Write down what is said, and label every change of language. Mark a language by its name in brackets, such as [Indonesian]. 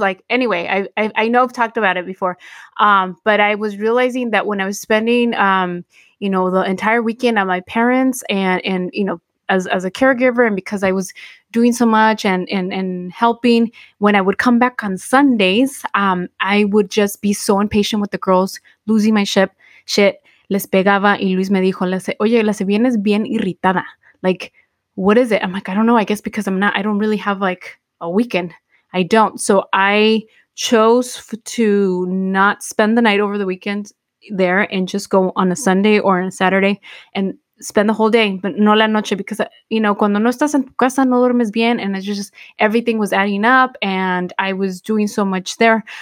[English] Like, anyway, I know I've talked about it before. But I was realizing that when I was spending, you know, the entire weekend at my parents and you know, as a caregiver, and because I was doing so much and helping, when I would come back on Sundays, I would just be so impatient with the girls, losing my shit. [Spanish] Les pegaba y Luis me dijo, oye, las vienes bien irritada. [English] Like, what is it? I'm like, I don't know. I guess because I don't really have like a weekend. I don't. So I chose to not spend the night over the weekend there and just go on a Sunday or on a Saturday and spend the whole day, but [Spanish] no la noche, [English] because, you know, [Spanish] cuando no estás en tu casa, no duermes bien, [English] and it's just, everything was adding up, and I was doing so much there.